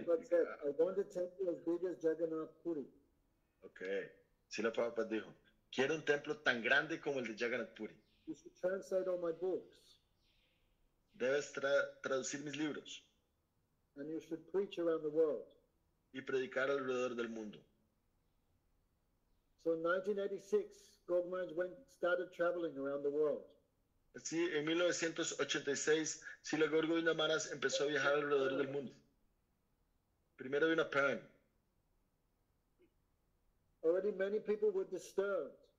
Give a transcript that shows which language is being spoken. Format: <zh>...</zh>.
<en>I want a temple as big as Jagannath Puri. Okay.</en> <es>Srila Prabhupada dijo, quiero un templo tan grande como el de Jagannath Puri.</es> <en>You should translate all my books.</en> <es>Debes traducir mis libros.</es> <en>And you should preach around the world.</en> <es>Y predicar alrededor del mundo.</es> <en>So in 1986, Gauri Maharaj started traveling around the world.</en> <es>Sí, en 1986, Srila Gauri Govinda Maharaj empezó a viajar alrededor del mundo. Primero vino a Pern.</es> <en>Already many people were disturbed.</en>